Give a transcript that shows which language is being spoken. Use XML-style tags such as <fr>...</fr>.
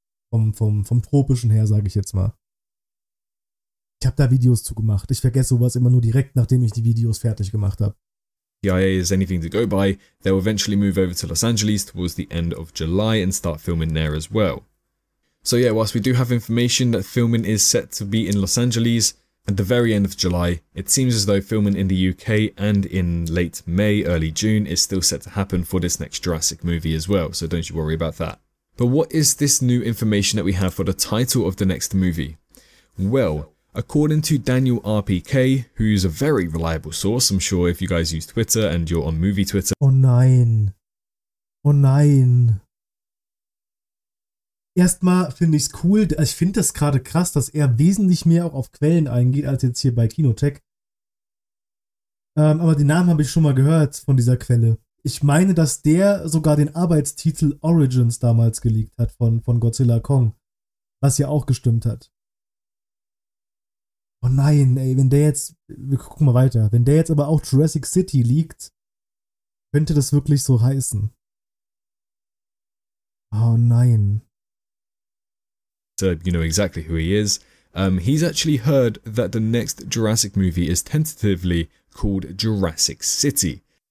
<de>Vom tropischen her, sage ich jetzt mal. Ich habe da Videos zu gemacht. Ich vergesse sowas immer nur direkt, nachdem ich die Videos fertig gemacht habe.</de> <en>FTIA is anything to go by. They'll eventually move over to Los Angeles towards the end of July and start filming there as well. So yeah, whilst we do have information that filming is set to be in Los Angeles at the very end of July, it seems as though filming in the UK and in late May, early June is still set to happen for this next Jurassic movie as well, so don't you worry about that. But what is this new information that we have for the title of the next movie? Well, according to Daniel RPK, who's a very reliable source, I'm sure if you guys use Twitter and you're on movie Twitter.</en> <de>Oh nein. Oh nein. Erstmal finde ich es cool, ich finde das gerade krass, dass er wesentlich mehr auch auf Quellen eingeht, als jetzt hier bei Kinotech. Aber den Namen habe ich schon mal gehört von dieser Quelle. Ich meine, dass der sogar den Arbeitstitel Origins damals geleakt hat von Godzilla Kong, was ja auch gestimmt hat. Oh nein, ey, wenn der jetzt, wir gucken mal weiter, wenn der jetzt aber auch Jurassic City leakt, könnte das wirklich so heißen. Oh nein.</de> <en>You know exactly who he is, He's actually heard that the next Jurassic movie is tentatively called Jurassic City.</en>